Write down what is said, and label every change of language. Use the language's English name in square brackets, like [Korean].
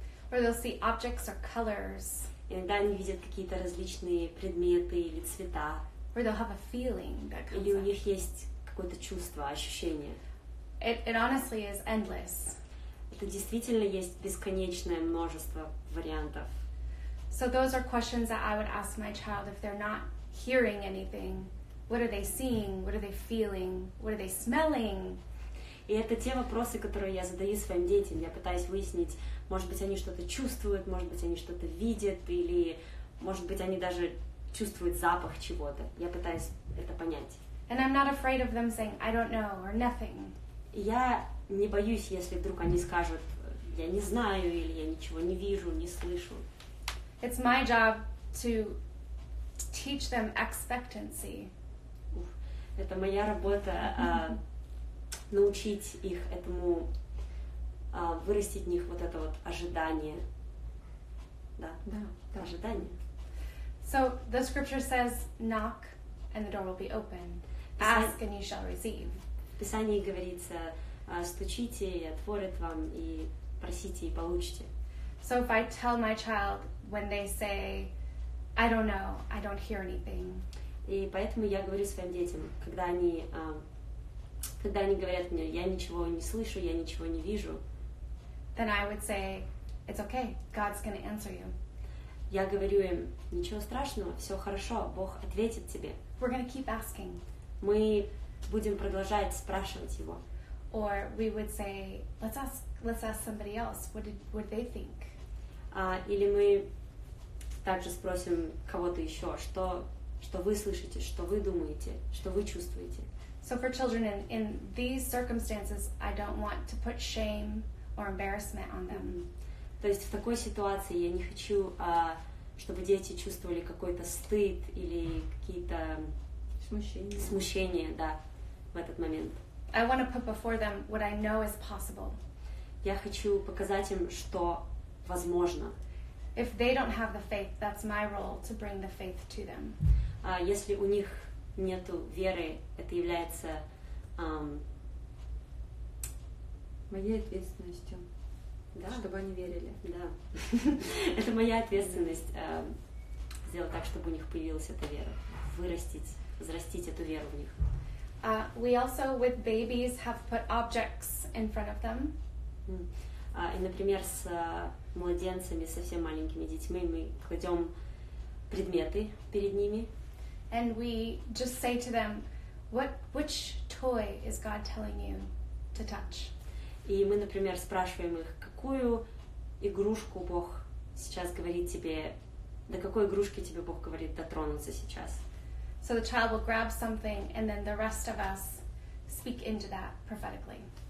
[English] Or they'll see objects or colors. [Russian] Иногда они видят какие-то различные предметы или цвета. [English] Or they'll have a feeling that comes. [Russian] Или у них есть какое-то чувство, ощущение. [English] It honestly is endless. [Russian] Это действительно есть бесконечное множество вариантов. [English] So those are questions that I would ask my child if they're not hearing anything. What are they seeing? What are they feeling? What are they smelling? [Russian] И это те вопросы, которые я задаю своим детям. Я пытаюсь выяснить, может быть, они что-то чувствуют, может быть, они что-то видят, или, может быть, они даже чувствуют запах чего-то. Я пытаюсь это понять. [English] And I'm not afraid of them saying, I don't know, or nothing. [Russian] Я не боюсь, если вдруг они скажут, я не знаю, или я ничего не вижу, не слышу. [English] It's my job to teach them expectancy. Это моя работа, научить их этому, вырастить в них вот это вот ожидание. [Russian] Да? Да. Да. Ожидание. [English] So, the scripture says, knock, and the door will be open. Ask, and you shall receive. [Russian] В Писании говорится, стучите, и отворят вам, и просите, и получите. [English] So, if I tell my child, when they say, I don't know, I don't hear anything, [Russian] и поэтому я говорю своим детям, когда они говорят мне, я ничего не слышу, я ничего не вижу, [English] then I would say, it's okay, God's gonna answer you. [Russian] Я говорю им, ничего страшного, все хорошо, Бог ответит тебе. [English] We're gonna keep asking. [Russian] Мы будем продолжать спрашивать его. [English] Or we would say, let's ask somebody else, what they think. [Russian] Или мы также спросим кого-то еще, что вы слышите, что вы думаете, что вы чувствуете. [English] So for children in these circumstances, I don't want to put shame or embarrassment on them. [Russian] То есть в такой ситуации я не хочу, чтобы дети чувствовали какой-то стыд или какие-то смущения, да, в этот момент. [English] I want to put before them what I know is possible. [Russian] Я хочу показать им, что возможно. [English] If they don't have the faith, that's my role to bring the faith to them. [Russian] Если у них нету веры, это является моей ответственностью, да. Чтобы они верили. Да. Это моя ответственность сделать так, чтобы у них появилась эта вера, вырастить, взрастить эту веру в них. [English] We also with babies have put objects in front of them. [Russian] И, например, с младенцами, совсем маленькими детьми, мы кладем предметы перед ними. [English] And we just say to them, which toy is God telling you to touch? [Russian] И мы, например, спрашиваем их, какую игрушку Бог сейчас говорит тебе, до какой игрушки тебе Бог говорит дотронуться сейчас? [English] So the child will grab something, and then the rest of us speak into that prophetically.